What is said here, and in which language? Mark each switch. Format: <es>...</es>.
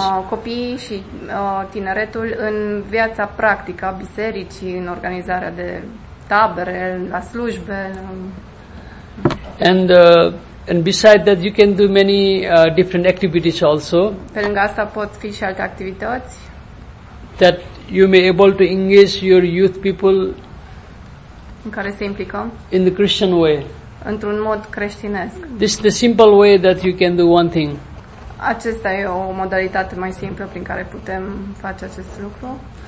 <ro>Copiii și tineretul în viața practică a bisericii, în organizarea de tabere, la slujbe.</ro> <en>And beside that, you can do many different activities also.</en> <ro>Pe lângă asta pot fi și alte activități.</ro> <en>That you may able to engage your youth people.</en> <ro>În care se implicăm.</ro> <en>In the Christian way.</en> <ro>Într-un mod creștinesc.</ro> <en>This is the simple way that you can do one thing.</en> <ro>Acesta e o modalitate mai simplă prin care putem face acest lucru.</ro>